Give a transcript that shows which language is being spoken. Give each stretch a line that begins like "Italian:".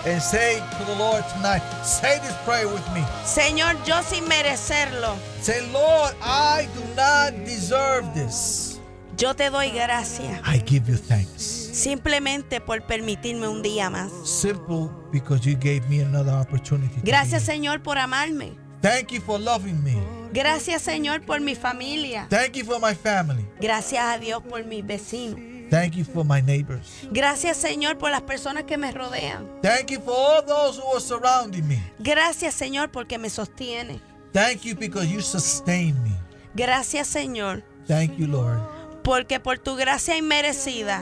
English: And say to the Lord tonight, say this prayer with me.
Spanish: Señor, yo sin merecerlo.
English: Say, Lord, I do not deserve this.
Spanish: Yo te doy gracias.
English: I give you thanks.
Spanish: Simplemente por permitirme un día más.
English: Simple, because you gave me another opportunity.
Spanish: Gracias, Señor, por amarme.
English: Thank you for loving me.
Spanish: Gracias, Señor, por mi familia.
English: Thank you for my family.
Spanish: Gracias a Dios por mis vecinos.
English: Thank you for my neighbors.
Spanish: Gracias, Señor, por las personas que me rodean.
English: Thank you for all those who are surrounding me.
Spanish: Gracias, Señor, porque me sostiene.
English: Thank you because you sustain me.
Spanish: Gracias, Señor.
English: Thank you, Lord.
Spanish: Porque por tu gracia inmerecida.